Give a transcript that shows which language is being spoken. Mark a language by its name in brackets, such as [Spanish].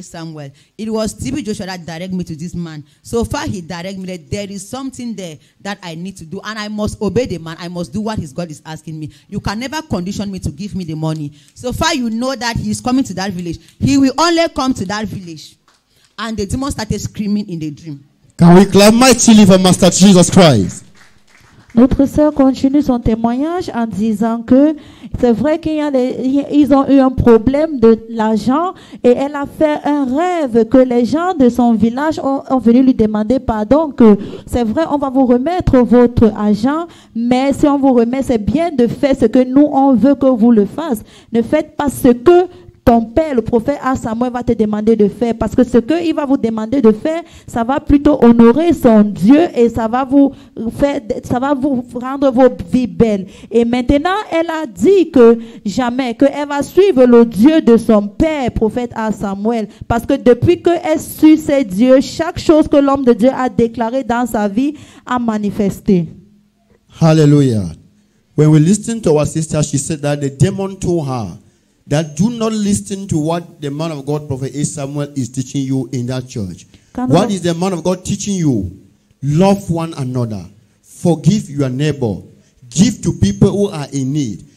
[English] Samuel, it was TB Joshua that directed me to this man. So far, he directed me that there is something there that I need to do, and I must obey the man. I must do what his God is asking me. You can never condition me to give me the money. So far, you know that he is coming to that village. He will only come to that village. And the demon started screaming in the dream. Can we clap mightily for Master Jesus Christ? [French] Notre sœur continue son témoignage en disant que c'est vrai qu'ils ont eu un problème de l'argent et elle a fait un rêve que les gens de son village ont venu lui demander pardon, que c'est vrai, on va vous remettre votre argent, mais si on vous remet, c'est bien de faire ce que nous, on veut que vous le fassiez. Ne faites pas ce que ton père, le prophète A. Samuel, va te demander de faire, parce que ce qu'il va vous demander de faire, ça va plutôt honorer son Dieu et ça va vous rendre vos vies belles. Et maintenant, elle a dit que jamais, qu'elle va suivre le Dieu de son père, prophète A. Samuel, parce que depuis qu'elle suit ses dieux, chaque chose que l'homme de Dieu a déclaré dans sa vie a manifesté. [English] Hallelujah. When we listened to our sister, she said that the demon told her that do not listen to what the man of God, Prophet A. Samuel, is teaching you in that church. What is the man of God teaching you? Love one another. Forgive your neighbor. Give to people who are in need.